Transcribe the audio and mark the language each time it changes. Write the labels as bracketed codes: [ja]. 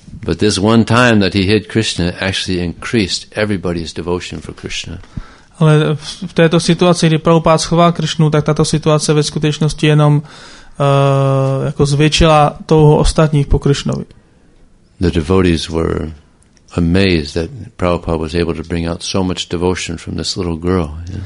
[en] But this one time that he hit Krishna actually increased everybody's devotion for Krishna. [cs] Ale v této situaci, kdy Prabhupada schoval Krishnu, tak tato situace ve skutečnosti jenom jako zvětšila touhu ostatních po Krishnovi. [en] The devotees were amazed that Prabhupada was able to bring out so much devotion from this little girl.